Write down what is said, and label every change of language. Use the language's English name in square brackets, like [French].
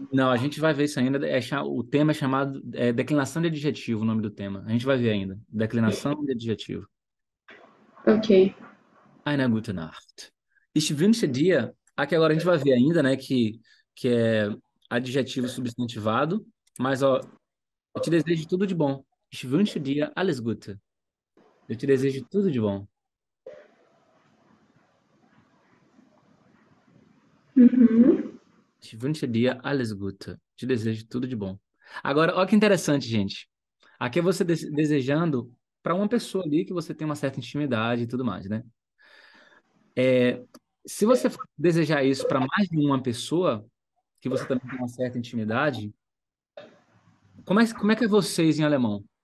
[Portuguese] Não, a gente vai ver isso ainda. O tema é chamado declinação de adjetivo, o nome do tema. A gente vai ver ainda. Declinação de adjetivo. Ok. [German] Eine gute Nacht. Ich wünsche dir. [Portuguese] Aqui agora a gente vai ver ainda, né? Que é adjetivo substantivado. Mas, ó, eu te desejo tudo de bom. [German] Ich wünsche dir alles Gute. [Portuguese] Eu te desejo tudo de bom. [German] Ich wünsche dir alles Gute. [Portuguese] Te desejo tudo de bom. Agora, olha que interessante, gente. Aqui é você desejando para uma pessoa ali que você tem uma certa intimidade e tudo mais, né? Se você desejar isso para mais de uma pessoa que você também tem uma certa intimidade, como é que é vocês em alemão?